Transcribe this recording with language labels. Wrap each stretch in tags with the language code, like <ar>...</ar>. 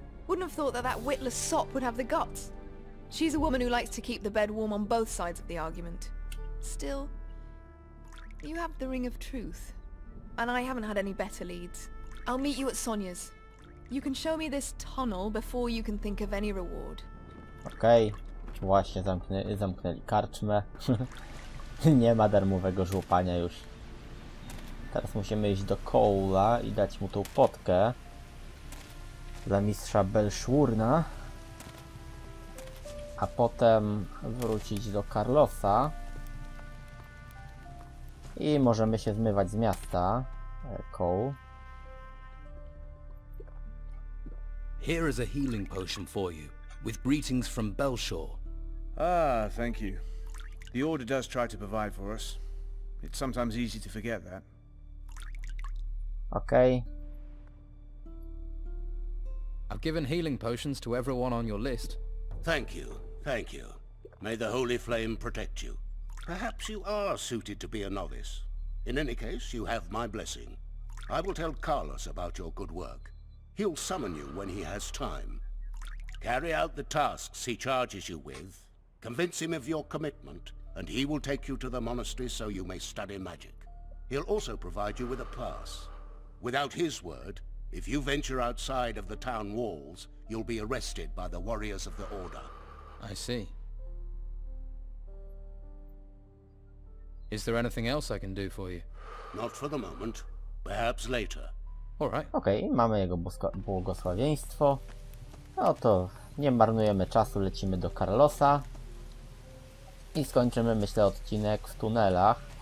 <en>Wouldn't have thought that that witless sop would have the guts. She's a woman who likes to keep the bed warm on both sides of the argument. Still, you have the ring of truth. And I haven't had any better leads. I'll meet you at Sonia's. You can show me this tunnel before you can think of any reward. Okej, okay.</en> <pl>Właśnie zamknęli karczmę. Nie ma darmowego żłopania już. Teraz musimy iść do Cole'a i dać mu tą potkę. dla mistrza Belszurna, a potem wrócić do Carlosa i możemy się zmywać z miasta. Cole.</pl> <en>Here is a healing potion for you, with greetings from Belshaw. Ah, thank you. The Order does try to provide for us. It's sometimes easy to forget that. Okay. I've given healing potions to everyone on your list. Thank you, thank you. May the Holy Flame protect you. Perhaps you are suited to be a novice. In any case, you have my blessing. I will tell Carlos about your good work. He'll summon you when he has time. Carry out the tasks he charges you with, convince him of your commitment, and he will take you to the monastery so you may study magic. He'll also provide you with a pass. Without his word, if you venture outside of the town walls, you'll be arrested by the warriors of the Order. I see. Is there anything else I can do for you? Not for the moment. Perhaps later. Alright.</en> <pl>Okej, okay, mamy jego błogosławieństwo. No to nie marnujemy czasu, lecimy do Carlosa. I skończymy, myślę, odcinek w tunelach.</pl>